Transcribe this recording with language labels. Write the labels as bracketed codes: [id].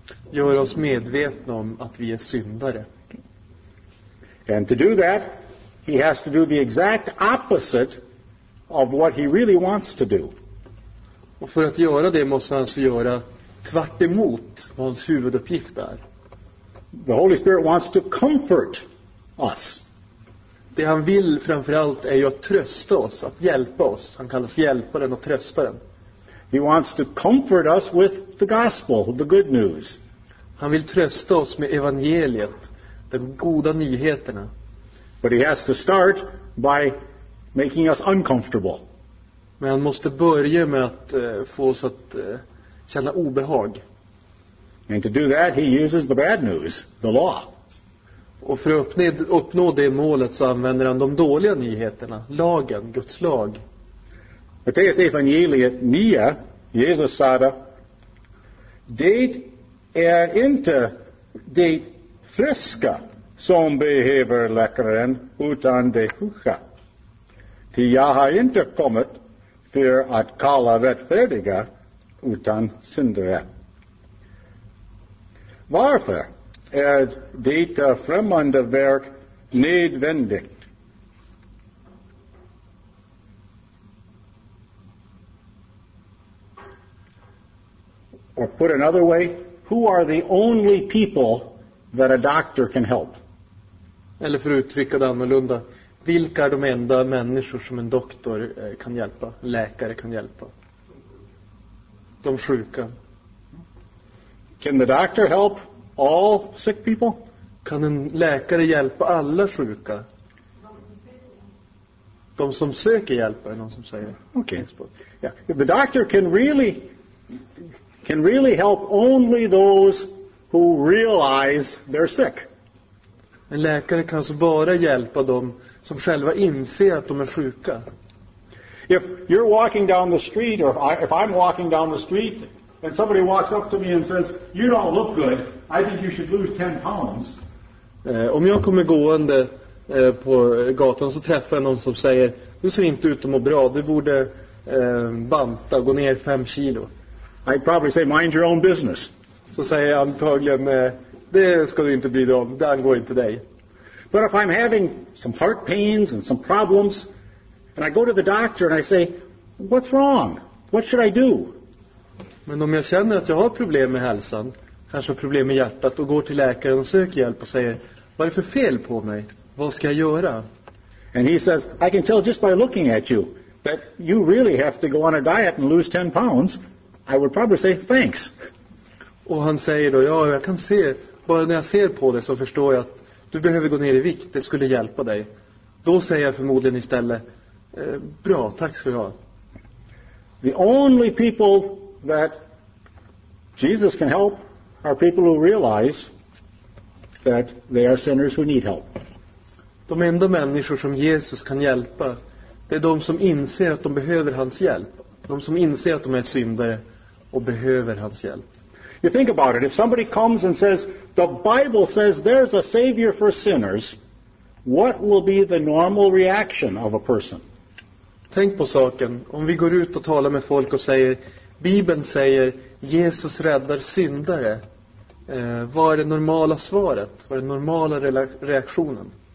[sv] Gör oss medvetna om att vi är syndare. [en] And to do that, he has to do the exact opposite of what he really wants to do. [sv] Och för att göra det måste han alltså göra tvärt emot vad hans huvuduppgift är. [en] The Holy Spirit wants to comfort us. [sv] Det han vill framförallt är ju att trösta oss, att hjälpa oss. Han kallas hjälparen och tröstaren. [en] He wants to comfort us with the gospel, the good news. [sv] Han vill trösta oss med evangeliet, de goda nyheterna. [en] But he has to start by making us uncomfortable. [sv] Men han måste börja med att få oss att känna obehag. [en] And to do that he uses the bad news, the law. [sv] Och för att uppnå det målet så använder han de dåliga nyheterna, lagen, Guds lag. Matteus evangeliet 9, Jesus sa det är inte de friska som behöver läkaren utan de sjuka. Till jag har inte kommit för att kalla rättfärdiga utan syndare. Varför är detta främmande verk nödvändigt. [en] Or put another way, who are the only people that a doctor can help? [sv] Eller för att uttrycka det annorlunda, vilka är de enda människor som en doktor kan hjälpa, läkare kan hjälpa? De sjuka. [en] Can the doctor help all sick people? [sv] Kan en läkare hjälpa alla sjuka? De som söker hjälp, är någon som säger. [en] Okay. Yeah. The doctor can really help only those who realize they're sick. [sv] En läkare kan så bara hjälpa dem som själva inser att de är sjuka. [en] If you're walking down the street, or if I'm walking down the street and somebody walks up to me and says, "You don't look good. I think you should lose 10 pounds." [sv] Om jag kommer gående på gatan så träffar jag någon som säger, "Du ser inte ut att må bra. Du borde banta, gå ner 5 kilo." [en] I'd probably say, "Mind your own business." [sv] Så säger jag antagligen, "Det ska du inte bry dig om. Det angår inte dig." [en] But if I'm having some heart pains and some problems, and I go to the doctor and I say, "What's wrong? What should I do?" [sv] Men om jag känner att jag har problem med hälsan, kanske problem med hjärtat, och går till läkaren och söker hjälp och säger, "Vad är det för fel på mig? Vad ska jag göra?" [en] And he says, "I can tell just by looking at you that you really have to go on a diet and lose 10 pounds." I would probably say, "Thanks." [sv] Och han säger då, "Ja, jag kan se, bara när jag ser på dig så förstår jag att du behöver gå ner i vikt, det skulle hjälpa dig." Då säger jag förmodligen istället, "Bra, tack ska du ha." [en] The only people that Jesus can help are people who realize that they are sinners who need help. [sv] De enda människor som Jesus kan hjälpa, det är de som inser att de behöver hans hjälp. De som inser att de är syndare och behöver hans hjälp. [en] You think about it. If somebody comes and says, "The Bible says there's a savior for sinners," what will be the normal reaction of a person? [sv] Tänk på saken. Om vi går ut och talar med folk och säger, "Bibeln säger Jesus räddar syndare." Vad är det normala svaret? Vad är den normala reaktionen?